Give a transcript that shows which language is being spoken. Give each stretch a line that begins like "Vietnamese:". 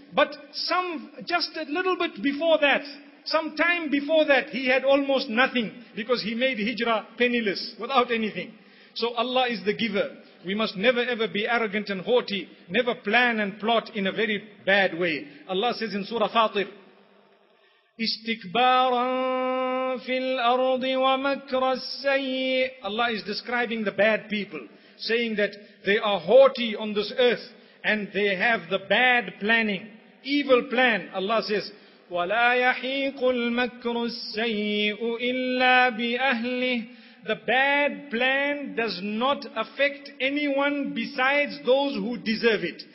English: But some, just a little bit before that, some time before that, he had almost nothing because he made hijrah penniless, without anything. So Allah is the giver. We must never ever be arrogant and haughty, never plan and plot in a very bad way. Allah says in Surah Fatir,
Arabic: استكباراً في الأرض ومكر السيء.
English: Allah is describing the bad people, saying that they are haughty on this earth and they have the bad planning, evil plan. Allah says,
Arabic: وَلَا يَحِيقُ الْمَكْرُ السَّيِّئُ إِلَّا بِأَهْلِهِ.
English: The bad plan does not affect anyone besides those who deserve it.